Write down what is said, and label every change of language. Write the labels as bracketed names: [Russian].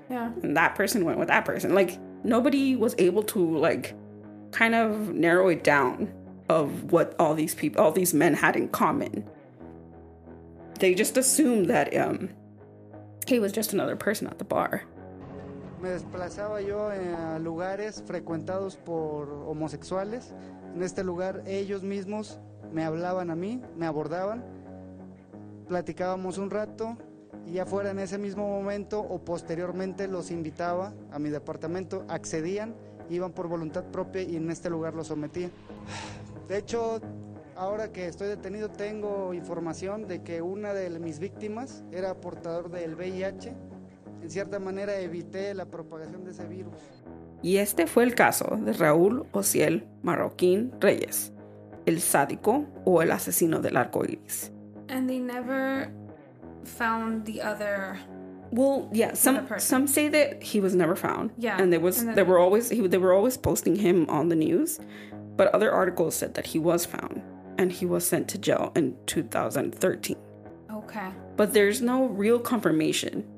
[English] Yeah. And that person went with that person. Like, nobody was able to, like, kind of narrow it down of what all these people, all these men had in common. They just assumed that he was just another person at the bar. [Spanish] Me desplazaba yo a lugares frecuentados por homosexuales. En este lugar, ellos mismos me hablaban a mí, me abordaban, platicábamos un rato y afuera en ese mismo momento o posteriormente los invitaba a mi departamento, accedían, iban por voluntad propia y en este lugar los sometía. De hecho, ahora que estoy detenido tengo información de que una de mis víctimas era portador del VIH. En cierta manera evité la propagación de ese virus. Y este fue el caso de Raúl Osiel Marroquín Reyes, el sádico o el asesino del arco iris. [English] And they never found the other. Well, yeah, some say that he was never found. Yeah. And they were always posting him on the news. But other articles said that he was found and he was sent to jail in 2013. Okay. But there's no real confirmation.